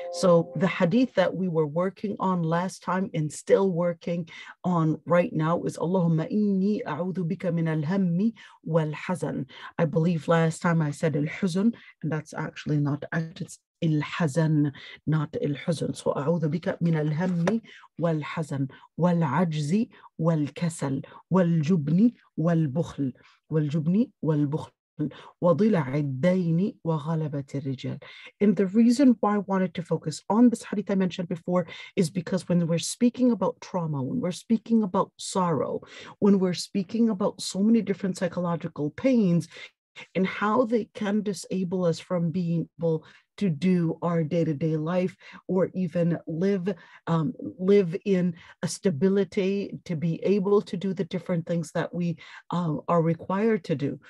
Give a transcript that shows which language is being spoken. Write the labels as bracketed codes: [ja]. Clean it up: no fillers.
[en] So the hadith that we were working on last time and still working on right now is [ar] Allahumma inni a'udhu bika min al-hammi wal-hazan. [en] I believe last time I said al-huzun, and that's actually not, it's الحزن not الحزن. [ar] So أعوذ بك من الهم والحزن والعجز والكسل والجبن والبخل والجبن والبخل وضلع الدين وغلبة الرجال. [en] And the reason why I wanted to focus on this hadith I mentioned before is because when we're speaking about trauma, when we're speaking about sorrow, when we're speaking about so many different psychological pains and how they can disable us from being able to do our day-to-day life or even live in a stability to be able to do the different things that we are required to do.